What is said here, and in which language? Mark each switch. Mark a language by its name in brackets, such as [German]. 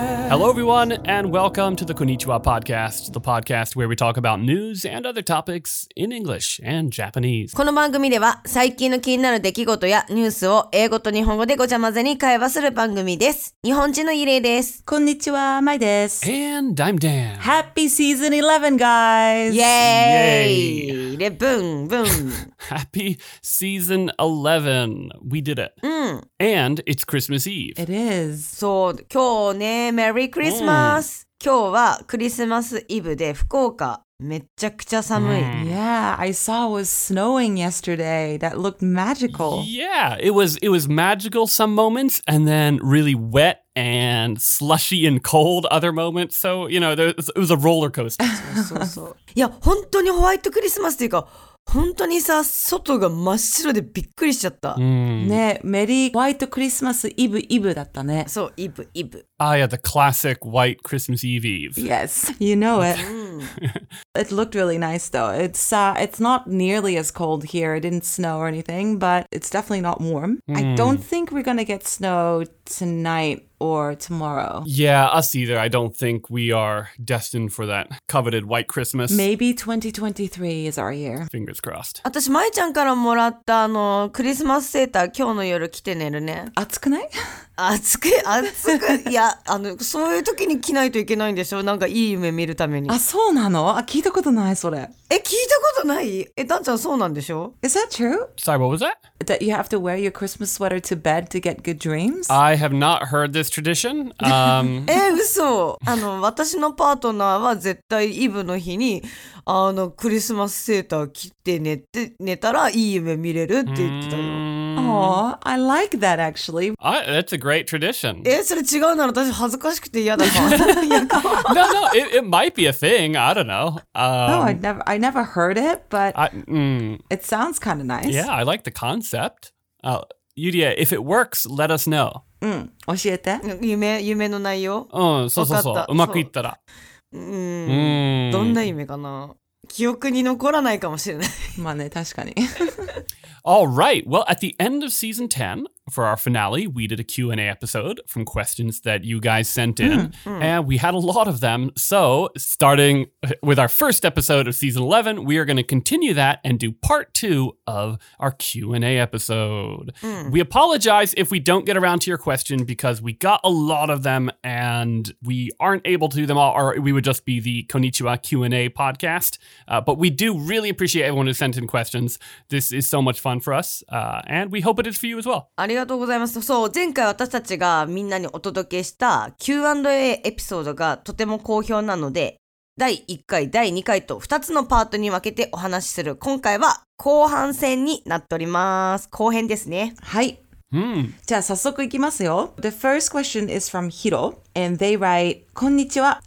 [English] Hello, everyone, and welcome to the Konnichiwa Podcast, the podcast where we talk about news and other topics in English and Japanese. [Japanese] この番組では最近の気になる出来事やニュースを英語と日本語でごちゃ混ぜに会話する番組です。日本人のイレイです。こんにちは、マイです。 [English] And I'm Dan. Happy Season 11, guys! [Japanese] Yay! で、ブン、ブン。 [English] Happy Season 11. We did it. [Japanese] うん。 [English] And it's Christmas Eve. It is. [Japanese] そう、今日ね、 [English] Merry Christmas!、 [Japanese] Mm. 今日はクリスマスイブで福岡めっちゃくちゃ寒い。 Mm. [English] Yeah, I saw it was snowing yesterday. That looked magical. Yeah, it was magical some moments and then really wet and slushy and cold other moments. So, you know, it was a roller coaster. [Japanese] そうそうそう。いや、本当にホワイトクリスマスというか、本当にさ、外が真っ白でびっくりしちゃった。 Mm. ね、メリーホワイトクリスマスイブイブだったね。そう、イブイブ。 [English] Ah, yeah, the classic white Christmas Eve Eve. Yes, you know it. It looked really nice, though. It's not nearly as cold here. It didn't snow or anything, but it's definitely not warm. Mm. I don't think we're going to get snow tonight or tomorrow. Yeah, us either. I don't think we are destined for that coveted white Christmas. Maybe 2023 is our year. Fingers crossed. [Japanese] 私、まいちゃんからもらったあのクリスマスセーター今日の夜着て寝るね。暑くない? 暑く、暑く、いや、あの、そういう時に着ないといけないんでしょ? なんかいい夢見るために。あ、そうなの? あ、聞いたことない、それ。え、聞いたことない? え、ダンちゃんそうなんでしょ? [English] Is that true? Sorry, what was that? That you have to wear your Christmas sweater to bed to get good dreams? I have not heard this tradition. [Japanese] え、嘘。あの、私のパートナーは絶対イブの日に、あの、クリスマスセーター着て寝て、寝たらいい夢見れるって言ってたよ。 Mm-hmm. [English] Aw, I like that actually. That's a great tradition. [Japanese] え、それ違うなら私恥ずかしくて嫌だ [English] もん。No, no, it might be a thing. I don't know. No, I never heard it, but it sounds kind of nice. Yeah, I like the concept. Yuria, if it works, let us know. [Japanese] うん、教えて。夢の内容。うん、そうそうそう。うまくいったら。うん。どんな夢かな。記憶に残らないかもしれない。まあね、確かに。 [English] All right. Well, at the end of season 10, for our finale, we did a Q&A episode from questions that you guys sent in. Mm-hmm. And we had a lot of them. So starting with our first episode of season 11, we are going to continue that and do part two of our Q&A episode. Mm. We apologize if we don't get around to your question because we got a lot of them and we aren't able to do them all, or we would just be the Konnichiwa Q&A podcast. But we do really appreciate everyone who sent in questions. This is so much fun for us, and we hope it is for you as well. [Japanese] ありがとうございます。そう、前回私たちがみんなにお届けした Q&A エピソードがとても好評なので、第1回、第2回と2つのパートに分けてお話しする。今回は後半戦になっております。後編ですね。はい。 Mm. じゃあ早速いきますよ。 [English] The first question is from Hiro, and they write, [Japanese] こんにちは。